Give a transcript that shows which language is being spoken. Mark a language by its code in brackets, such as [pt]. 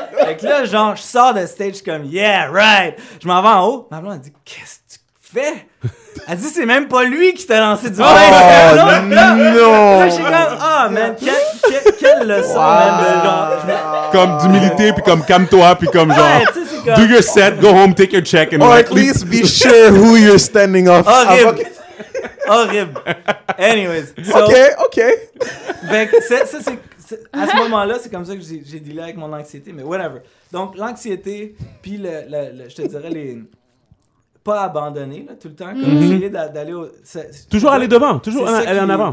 [fr] Fait que là, genre, je sors de stage comme « [en] Yeah, right! [fr] » Je m'en vais en haut. Ma blonde, elle dit « Qu'est-ce que tu fais? » Elle dit « C'est même pas lui qui t'a lancé du vin! » Oh, non! Là, je suis comme « Ah, man, quelle leçon, wow. man, de genre... » Comme d'humilité, puis comme « Calme-toi », puis comme genre ouais, « comme... [en] Do your set, go home, take your check. » Or at least be sure who you're standing off. Horrible. Horrible. Anyways. So, OK. [fr] Ben, à ce moment-là, c'est comme ça que j'ai dealé avec mon anxiété, mais whatever. Donc, l'anxiété, puis je te dirais, les pas abandonner là, tout le temps, comme mm-hmm. essayer d'aller au... Toujours aller en avant.